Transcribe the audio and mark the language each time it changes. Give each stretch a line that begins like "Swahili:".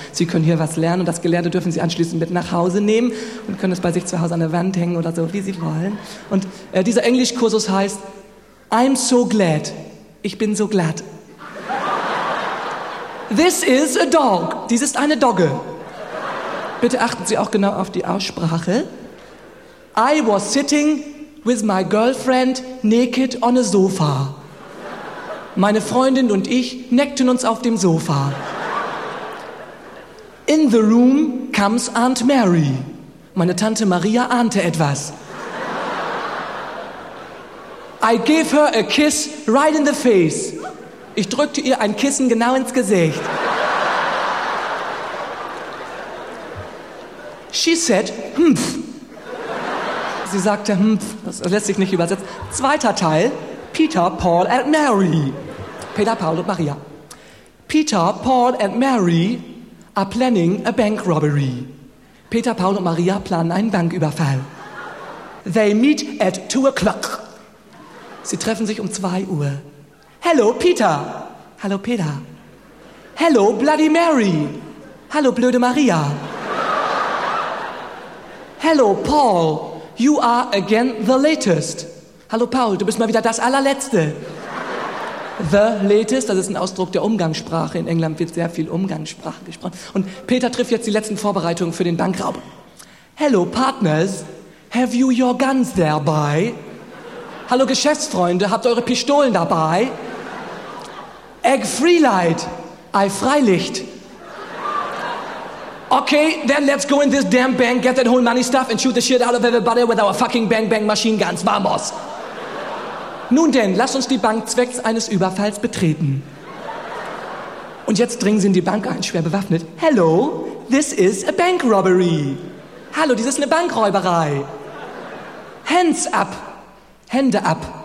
German: Sie können hier was lernen und das Gelernte dürfen Sie anschließend mit nach Hause nehmen und können es bei sich zu Hause an der Wand hängen oder so, wie Sie wollen. Und dieser Englischkursus heißt
English: I'm so glad.
German: Ich bin so glad.
English: This is a dog.
German: Dies ist eine Dogge. Bitte achten Sie auch genau auf die Aussprache.
English: I was sitting with my girlfriend naked on a sofa.
German: Meine Freundin und ich neckten uns auf dem Sofa.
English: In the room comes Aunt Mary.
German: Meine Tante Maria ahnte etwas.
English: I gave her a kiss right in the face.
German: Ich drückte ihr ein Kissen genau ins Gesicht.
English: She said, humph.
German: Sie sagte, humph, das lässt sich nicht übersetzen. Zweiter Teil, Peter, Paul and Mary. Peter, Paul und Maria.
English: Peter, Paul and Mary are planning a bank robbery.
German: Peter, Paul und Maria planen einen Banküberfall.
English: They meet at 2 o'clock.
German: Sie treffen sich um 2 Uhr.
English: Hello, Peter.
German: Hallo, Peter.
English: Hello, Bloody Mary.
German: Hallo, blöde Maria.
English: Hello, Paul. You are again the latest.
German: Hallo, Paul. Du bist mal wieder das Allerletzte. The latest, das ist ein Ausdruck der Umgangssprache. In England wird sehr viel Umgangssprache gesprochen. Und Peter trifft jetzt die letzten Vorbereitungen für den Bankraub.
English: Hello, partners. Have you your guns thereby?
German: Hallo, Geschäftsfreunde. Habt eure Pistolen dabei?
English: Egg free light.
German: Ei Freilicht.
English: Okay, then let's go in this damn bank, get that whole money stuff and shoot the shit out of everybody with our fucking bang bang machine guns.
Spanish: Vamos.
German: Nun denn, lass uns die Bank zwecks eines Überfalls betreten. Und jetzt dringen sie in die Bank ein, schwer bewaffnet.
English: Hello, this is a bank robbery.
German: Hallo, dies ist eine Bankräuberei.
English: Hands up.
German: Hände ab.